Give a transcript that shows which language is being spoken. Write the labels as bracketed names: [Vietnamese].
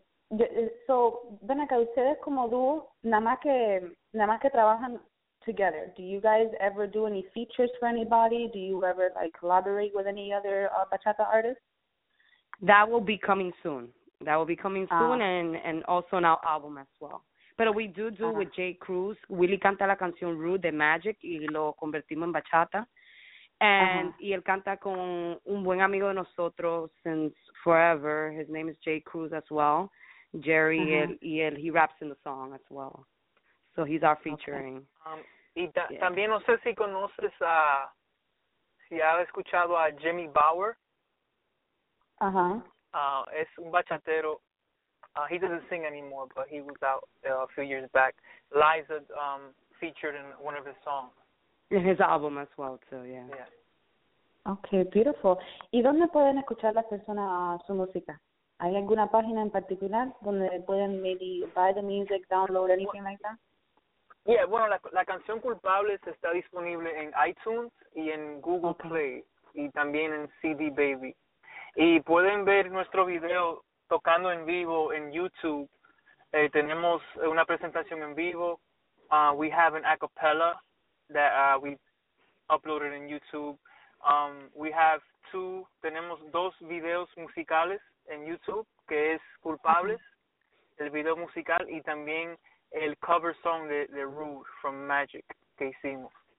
[Spanish] Ven acá, ustedes como dúo, nada más que trabajan together. [English] Do you guys ever do any features for anybody? Do you ever, like, collaborate with any other bachata artists? That will be coming soon. That will be coming soon and also an album as well. Pero we do uh-huh. with J. Cruz. [Spanish] Willie canta la canción Rude de Magic y lo convertimos en bachata. [English] And uh-huh. [Spanish] y él canta con un buen amigo de nosotros [English] since forever. His name is J. Cruz as well. [Spanish] Jerry, mm-hmm. y él, [English] he raps in the song as well. So he's our featuring. Okay. [Spanish] También no sé si conoces a, si has escuchado a Jimmy Bauer. Es un bachatero. [English] He doesn't sing anymore, but he was out a few years back. Liza featured in one of his songs. In his album as well, too, yeah. Yeah. Okay, beautiful. [Spanish] ¿Y dónde pueden escuchar las personas su música? ¿Hay alguna página en particular donde pueden [English] maybe buy the music, download, anything like that? [Spanish] Yeah, bueno, la canción culpable está disponible en iTunes y en Google Play y también en CD Baby. Y pueden ver nuestro video tocando en vivo en YouTube. Tenemos una presentación en vivo. [English] We have an acapella that we uploaded in YouTube. We have two, [Spanish] tenemos dos videos musicales en YouTube, que es Culpables, el video musical, y también el cover song de Rude from Magic, que hicimos.